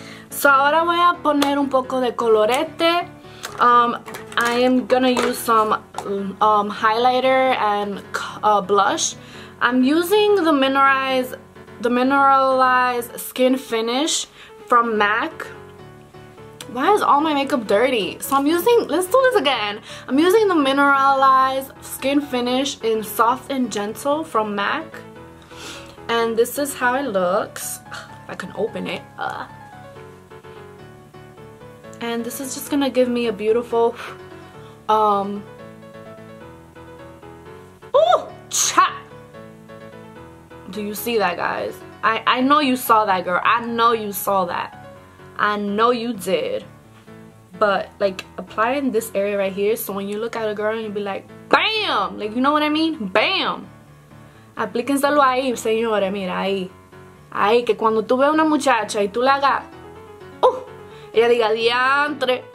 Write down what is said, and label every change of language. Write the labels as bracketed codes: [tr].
[es] So, ahora voy a poner un poco de colorete. [en] I am gonna use some highlighter and blush. I'm using the Mineralize Skin Finish from MAC. Why is all my makeup dirty? So I'm using, let's do this again. I'm using the Mineralize Skin Finish in Soft and Gentle from MAC. And this is how it looks. I can open it. And this is just gonna give me a beautiful, do you see that, guys? I know you saw that, girl. I know you saw that. I know you did. But, like, applying this area right here, so when you look at a girl and you be like, BAM! Like, you know what I mean? BAM! [es] Aplíquenselo ahí, señores, mira, ahí. Ahí, que cuando tú veas una muchacha y tú la hagas, ella diga, diantre.